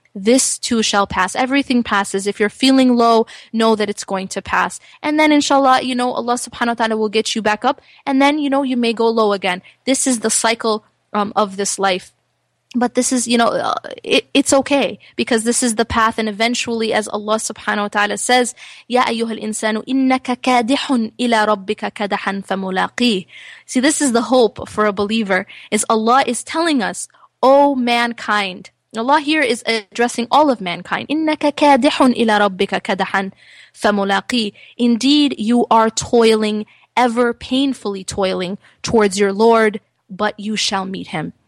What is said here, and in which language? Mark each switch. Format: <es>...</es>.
<en>This too shall pass. Everything passes. If you're feeling low, know that it's going to pass. And then inshallah, you know, Allah subhanahu wa ta'ala will get you back up. And then, you know, you may go low again. This is the cycle of this life. But this is, you know, it's okay, because this is the path. And eventually, as Allah subhanahu wa ta'ala says,</en> <ar>يَا أَيُّهَا الْإِنسَانُ إِنَّكَ كَادِحٌ إِلَىٰ رَبِّكَ كَدَحًا فَمُلَاقِيهِ.</ar> <en>See, this is the hope for a believer, is Allah is telling us, O mankind. Allah here is addressing all of mankind.</en> <ar>إِنَّكَ كَادِحٌ إِلَىٰ رَبِّكَ كَدَحًا فَمُلَاقِيهِ.</ar> <en>Indeed, you are toiling, ever painfully toiling towards your Lord, but you shall meet him.</en>